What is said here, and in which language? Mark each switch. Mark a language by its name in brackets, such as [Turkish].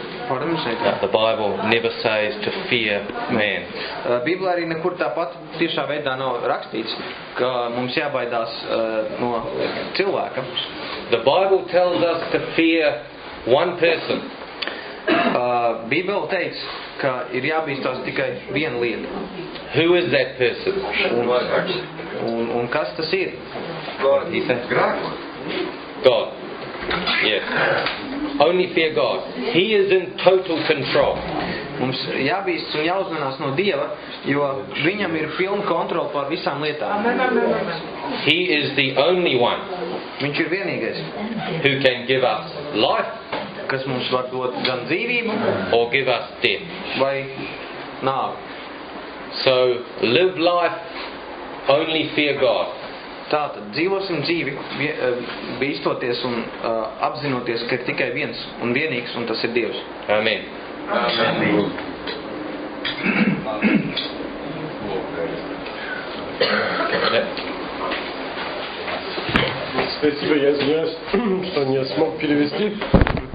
[English] The Bible never says to fear man. [Latvian] Bībelē arī nekur tāpat tiešā veidā nav rakstīts, ka mums jābaidās no cilvēka. [English] The Bible tells us to fear one person. [Latvian] Bībelē teic, ka ir jābīstās tikai viena lieta. [English] Who is that person? [Latvian] Un kas tas ir? [English] God. Yes. Only fear God. He is in total control. [Latvian] Mums jābīstas un jāuzmanās no Dieva, jo viņam ir pilna kontrola par visām lietām. [English] He is the only one. [Latvian] Viņš ir vienīgais. [English] Who can give us life? [Latvian] Kas mums var dot gan dzīvību? [English] Or give us death? [Latvian] Vai nāvi? [English] So live life, only fear God. [Latvian] Tātad, dzīvosim dzīvi, bīstoties un apzinoties, ka ir tikai viens un vienīgs, un tas ir Dievs. [English] Amen. [Russian] Спасибо, я извиняюсь, что не смог перевести.